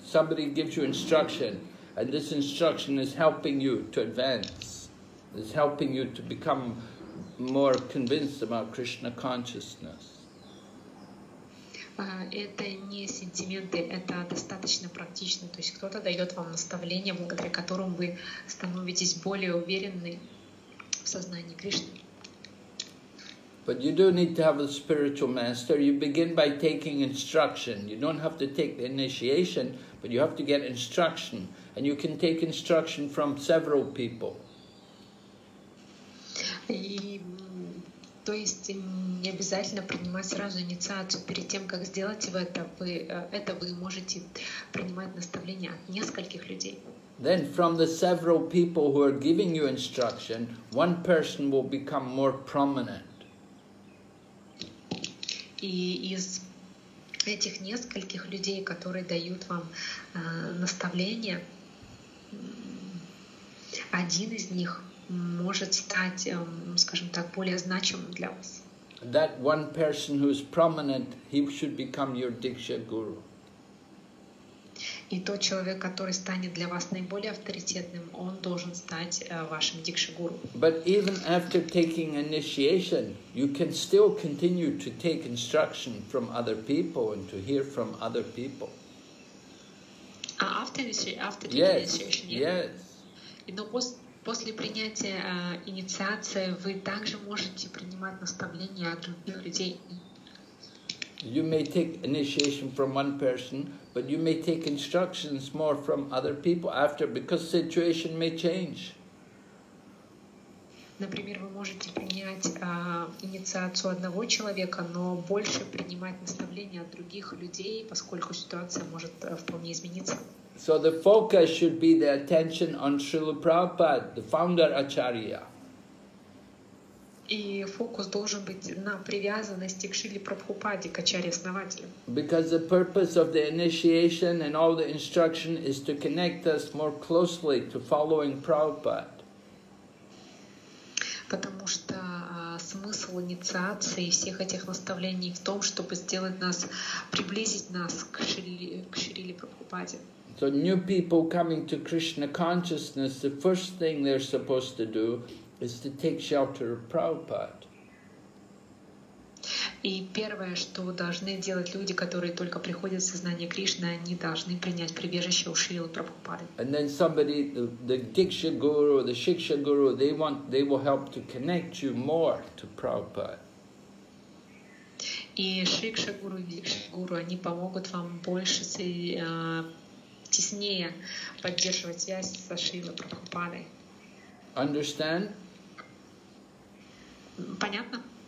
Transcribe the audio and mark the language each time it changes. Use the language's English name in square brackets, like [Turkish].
[English] Somebody gives you instruction, and this instruction is helping you to advance. It's helping you to become more convinced about Krishna consciousness. [Russian] Это не сентименты, это достаточно практично. То есть кто-то дает вам наставление, благодаря которым вы становитесь более уверены в сознании Кришны. [English] But you do need to have a spiritual master. You begin by taking instruction. You don't have to take the initiation, but you have to get instruction. And you can take instruction from several people. [Russian] То есть не обязательно принимать сразу инициацию. Перед тем, как сделать вы можете принимать наставления от нескольких людей. [English] Then from the several people who are giving you instruction, one person will become more prominent. [Russian] И из этих нескольких людей, которые дают вам наставление, один из них может стать, скажем так, более значимым для вас. [English] That one person who is prominent, he should become your Diksha Guru. [Russian] И тот человек, который станет для вас наиболее авторитетным, он должен стать вашим дикшагуру. [English] But even after taking initiation, you can still continue to take instruction from other people and to hear from other people. А after the initiation. Yes. [Russian] Но после принятия инициации вы также можете принимать наставления от других людей. [English] You may take initiation from one person, but you may take instructions more from other people after, because situation may change. [Russian] Например, вы можете принять инициацию одного человека, но больше принимать наставления от других людей, поскольку ситуация может вполне измениться. [English] So the focus should be the attention on Srila Prabhupada, the founder Acharya. [Russian] И фокус должен быть на привязанности к Шриле Прабхупаде, к Ачарье-основателю. [English] Because the purpose of the initiation and all the instruction is to connect us more closely to following Prabhupada. [Russian] Потому что смысл инициации и всех этих наставлений в том, чтобы сделать нас, приблизить нас к Шриле Прабхупаде. [English] So new people coming to Krishna consciousness, the first thing they're supposed to do is to take shelter of Prabhupada. [Russian] И первое, что должны делать люди, которые только приходят в сознание Кришны, они должны принять прибежище у Шрилы Прабхупады. [English] And then somebody, the Diksha Guru, the Shiksha Guru, they will help to connect you more to Prabhupada. [Russian] И Шикша Гуру, Дикша Гуру, они помогут вам больше теснее поддерживать связь со Шрилой Прабхупадой. [English] Understand? [Russian] Понятно?